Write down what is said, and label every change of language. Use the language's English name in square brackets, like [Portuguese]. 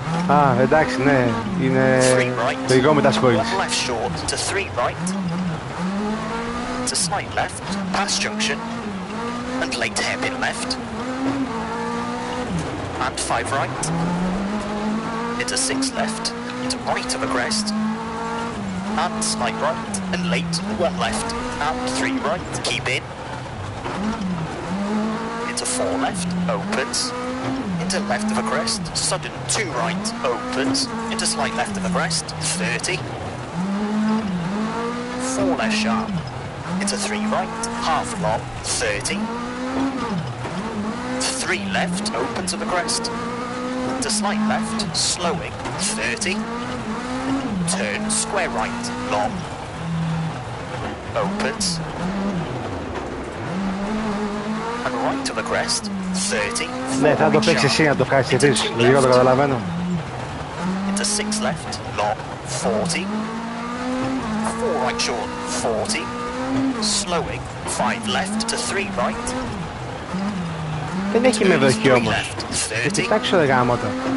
[Greek] Ah, εντάξει, ναι, είναι λίγο με τα σχόλια. [English] 1 left short, to 3 right. To slight left, pass junction, and late hairpin left. And 5 right, into 6 left, into right of a crest, and slight right, and late 1 left, and 3 right, keep in, into 4 left, opens, into left of a crest, sudden 2 right, opens, into slight left of a crest, 30, 4 left sharp, into 3 right, half long, 30, 3 left, open to the crest, to slight left, slowing, 30, turn square right, long, opens, and right to the crest, 30, [Greek] ναι, θα το παίξεις εσύ να το φτιάξεις και τις, λίγο το καταλαβαίνω. [English] Into 6 left, long, 40, 4 right short, 40, slowing, 5 left to 3 right, [Greek] δεν έχει με βροχή όμως. Κοιτάξτε το γάμο το.